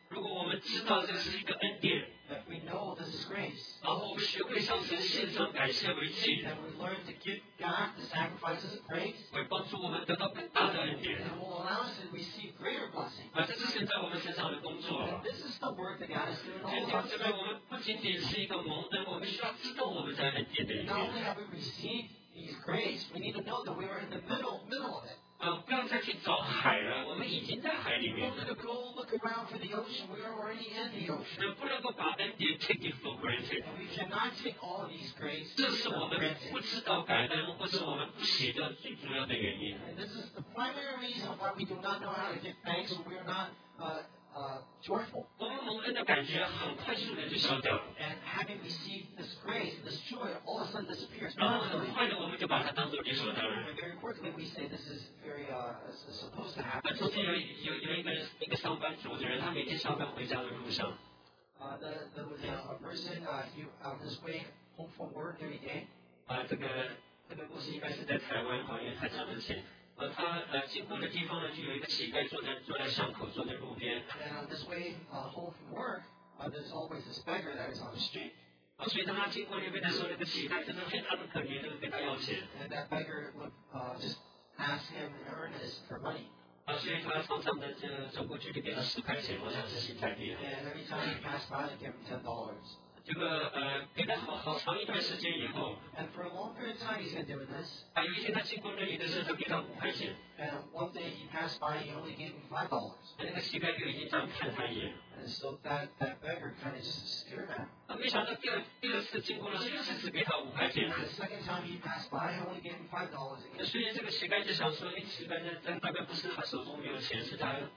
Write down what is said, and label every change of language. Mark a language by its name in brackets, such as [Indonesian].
[Chinese] 如果我们知道这是一个恩典, [English] that we know this is grace, [Chinese] 然后我们学会向神献上感谢为祭, [English] that we learn to give God the sacrifices of praise, [Chinese] 会帮助我们得到更大的恩典, [English] that will allow us to receive greater blessing. [Chinese] 这是现在我们身上的工作, [English] that this is the work that God is doing all of us. [Chinese] 我们不仅仅是一个蒙恩, 我们需要知道我们在恩典的里面, [English] not only have we received these grace, we need to know that we are in the middle of it. [Chinese] 不要再去找海了, 我们已经在海里面, [English] we don't need to go look around for the ocean, we are already in the ocean. [Chinese] 不能够把恩典 [English] take it for granted. And we cannot take all of these grace. [Chinese] 这是我们不知道感恩, 或是我们不写的最主要的原因. [English] And this is the primary reason why we do not know how to give thanks, or we are not joyful. [Chinese] 我们蒙恩的感觉很快速的就消掉了, [English] and having received this grace, this joy, all of a sudden disappears. [Chinese] 然后很快的我们就把它当作理所当然, [English] and very quickly we say this is very supposed to happen. [Chinese] 昨天有一个上班族的人, 他每天上班回家的路上, [English] there was a person on his way home from work every day. [Chinese] 这个故事应该是在台湾，好像还讲之前, 他经过的地方呢,就有一个乞丐坐在巷口,坐在路边, [English] and on this way home from work, there's always this beggar that is on the street. [Chinese] 所以当他经过那边的时候,那个乞丐真的非常的可怜,就跟他要钱, [English] and that beggar would just ask him in earnest for money. [Chinese] 所以他从上面走过去,就给他10块钱, 我想是新台币, [English] and every time he passed by, he gave him $10. [Chinese] 这个给他好长一段时间以后, [English] and for a long period of time he's been doing this. [Chinese] 有一天他经过这里的时候,他给他5块钱, [English] and one day he passed by, he only gave him $5. [Chinese] 那个乞丐就已经这样看他一眼, [English] and so that beggar kind of just stared at him. [Chinese] 没想到第二次经过了,又是只给他5块钱, [English] and the second time he passed by, he only gave him $5 again. [Chinese] 所以这个乞丐就想说,乞丐大概不是他手中没有钱,是他